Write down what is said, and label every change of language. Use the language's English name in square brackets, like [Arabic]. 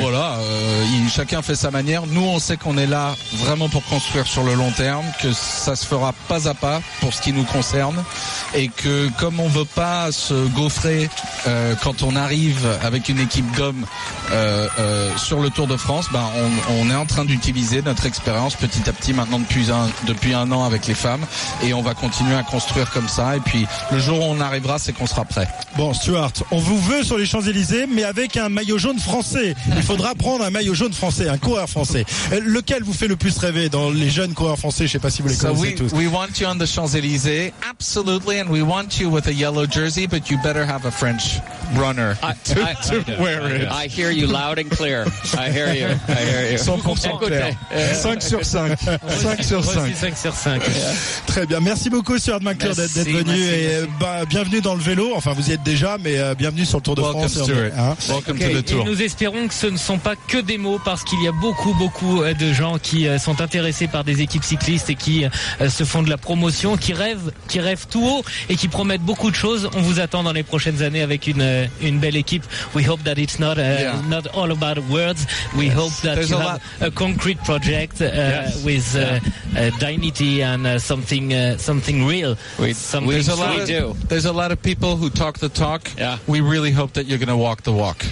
[French] Voilà, chacun fait sa manière. Nous, on sait qu'on est là vraiment pour construire sur le long terme, que ça se fera pas à pas pour ce qui nous concerne, et que comme on veut pas se gaufrer quand on arrive avec une équipe d'hommes sur le Tour de France, on est en train d'utiliser notre expérience petit à petit maintenant depuis un an avec les femmes, et on va continuer à construire comme ça, et puis le jour où on arrivera, c'est qu'on sera prêt. Bon, Stuart, on vous veut sur les Champs-Élysées, mais avec un maillot jaune français. Il faudra prendre un maillot jaune français, un coureur français. Lequel vous fait le plus rêver dans les jeunes coureurs français? Je ne sais pas si vous les connaissez tous. [English] We want you on the Champs-Élysées, absolutely, and we want you with a yellow jersey, but you better have a French runner to wear it. I hear you loud and clear. I hear you. [French] 100% clair. 5 sur 5. [English] Yeah. [French] Très bien. Merci beaucoup, Stuart McClure, d'être venu. Bienvenue dans le vélo. Enfin, vous y êtes déjà, mais bienvenue sur le Tour de France. [English] Welcome to the Tour. [French] Et nous espérons que ce ne sont pas que des mots. parce qu'il y a beaucoup, beaucoup de gens qui sont intéressés par des équipes cyclistes et qui se font de la promotion, qui rêvent tout haut et qui promettent beaucoup de choses. On vous attend dans les prochaines années avec une belle équipe. [English] We hope that it's not not all about words. We hope that you have a concrete project with dignity and something something real. There's a lot of people who talk the talk. Yeah. We really hope that you're going to walk the walk.